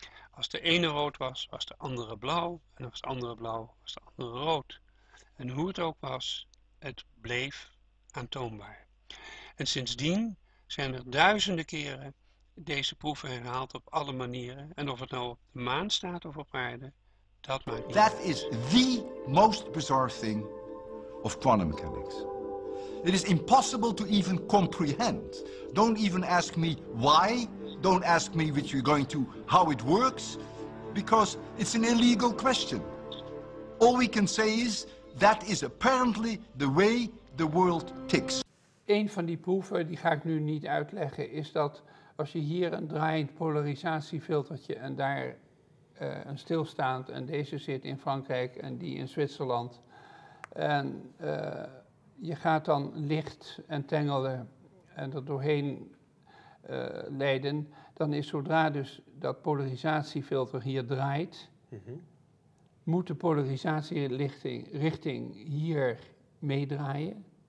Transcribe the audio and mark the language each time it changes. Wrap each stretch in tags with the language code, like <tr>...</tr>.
<nl>Als de ene rood was, was de andere blauw en als de andere blauw, was de andere rood. En hoe het ook was, het bleef aantoonbaar. En sindsdien zijn er duizenden keren deze proeven herhaald op alle manieren. En of het nou op de maan staat of op aarde, dat maakt niet uit.</nl> <en>That is the most bizarre thing of quantum mechanics. It is impossible to even comprehend. Don't even ask me why. Don't ask me what you're going to, how it works, because it's an illegal question. All we can say is that is apparently the way the world ticks.</en> <nl>Een van die proeven, die ga ik nu niet uitleggen, is dat als je hier een draaiend polarisatiefiltertje en daar een stilstaand en deze zit in Frankrijk en die in Zwitserland en je gaat dan licht entangelen en er doorheen leiden, dan is zodra dus dat polarisatiefilter hier draait, moet de polarisatierichting hier meedraaien.</nl>